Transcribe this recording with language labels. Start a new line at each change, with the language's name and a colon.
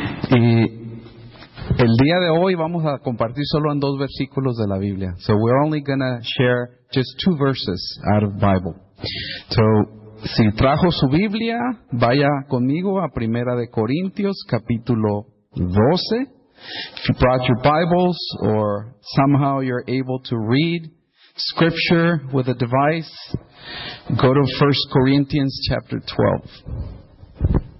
Spanish: Y el día de hoy vamos a compartir solo en dos versículos de la Biblia.
English: So we're only going to share just two verses out of the Bible.
Spanish: So si trajo su Biblia, vaya conmigo a Primera de Corintios, capítulo 12.
English: If you brought your Bibles or somehow you're able to read Scripture with a device, go to 1 Corinthians chapter 12.